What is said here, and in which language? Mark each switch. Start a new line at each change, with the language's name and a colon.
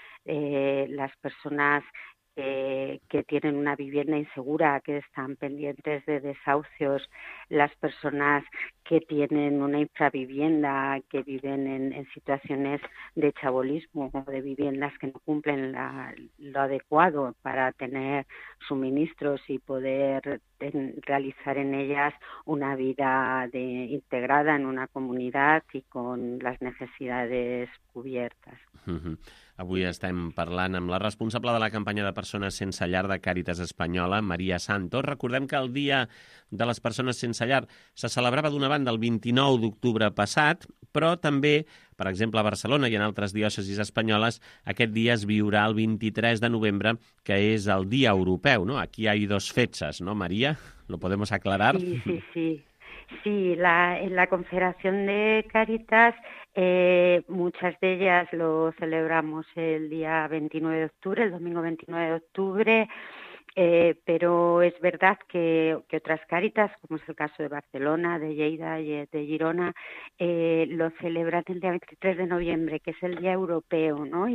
Spanish: Las personas que tienen una vivienda insegura, que están pendientes de desahucios, las personas que tienen una infravivienda, que viven en situaciones de chabolismo, de viviendas que no cumplen lo adecuado para tener suministros y poder realizar en ellas una vida integrada en una comunidad y con las necesidades cubiertas.
Catalan: Avui estem parlant amb la responsable de la campanya de persones sense llar de Càritas Espanyola, Maria Santos. Recordem que el Dia de les Persones Sense Llar se celebrava d'una banda el 29 d'octubre passat, però també, per exemple, a Barcelona i en altres diòcesis espanyoles, aquest dia es viurà el 23 de novembre, que és el Dia Europeu, no? Aquí hi ha dos fetges, no, Maria?
Spanish: ¿Lo podemos aclarar? Sí. Sí, la Confederación de Càritas, muchas de ellas lo celebramos el día 29 de octubre, el domingo 29 de octubre, pero es verdad que otras Cáritas, como es el caso de Barcelona, de Lleida y de Girona, lo celebran el día 23 de noviembre, que es el Día Europeo, ¿no?